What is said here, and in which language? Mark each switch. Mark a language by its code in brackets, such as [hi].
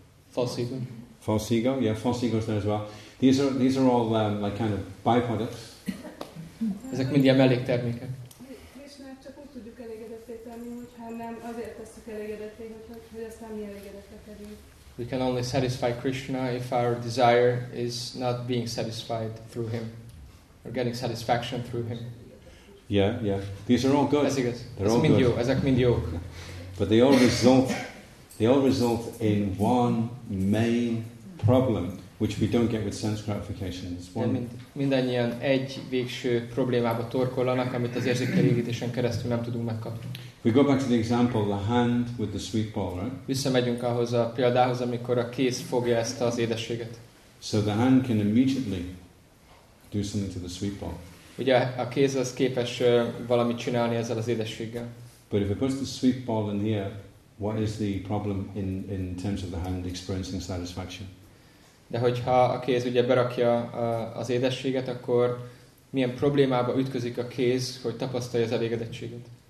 [en] False ego. Yeah, false ego is there as well. These are all like kind of byproducts. [hu] Ezek mind ilyen melléktermékek. Krishna, csak úgy tudjuk elégedettét tenni, hogyha nem, azért tesszük elégedettét, hogy ezt nem elégedettre kerül. [en] We can only satisfy Krishna if our desire is not being satisfied through him, or getting satisfaction through him. Yeah, yeah. These are all good. They're all good. [hu] Ezek mind jók. [en] But they all result in one main problem, which we don't get with sense gratification. [hu] Mindannyian egy végső problémába torkollanak, amit az érzékelégítésen keresztül nem tudunk megkapni. [en] We go back to the example, the hand with the sweet ball, right? [hu] Visszamegyünk ahhoz a példához, amikor a kéz fogja ezt az édességet. [en] So the hand can immediately do something to the sweet ball. [hu] Ugye a kéz az képes valamit csinálni ezzel az édességgel. [en] But if it puts the sweet ball in here, what is the problem in terms of the hand experiencing satisfaction? [hu] De hogyha a kéz ugye berakja az édességet, akkor milyen problémába ütközik a kéz, hogy tapasztalja az elégedettséget?